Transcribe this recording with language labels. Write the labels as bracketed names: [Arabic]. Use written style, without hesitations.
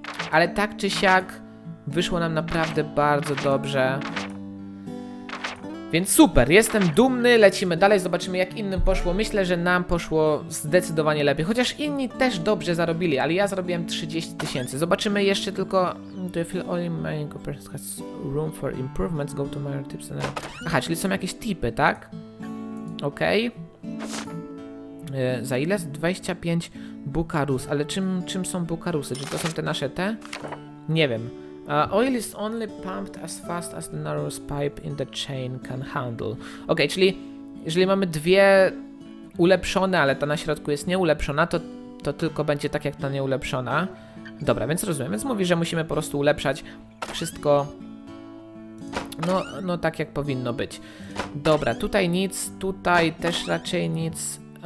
[Polish] Ale tak czy siak wyszło nam naprawdę bardzo dobrze. Więc super, jestem dumny, lecimy dalej, zobaczymy jak innym poszło. Myślę, że nam poszło zdecydowanie lepiej, chociaż inni też dobrze zarobili, ale ja zarobiłem 30 tysięcy. Zobaczymy jeszcze tylko... [English] Do you feel only my person has room for improvements? Go to my tips and... [Polish] Aha, czyli są jakieś tipy, tak? Okej. Za ile? 25 bukarus. Ale czym są bukarusy? Czy to są te nasze te? Nie wiem. [English] Oil is only pumped as fast as the narrowest pipe in the chain can handle. [Polish] Okej, czyli jeżeli mamy dwie ulepszone, ale ta na środku jest nieulepszona, to tylko będzie tak jak ta nieulepszona. Dobra, więc rozumiem. Więc mówi, że musimy po prostu ulepszać wszystko. No tak jak powinno być. Dobra, tutaj nic, tutaj też raczej nic.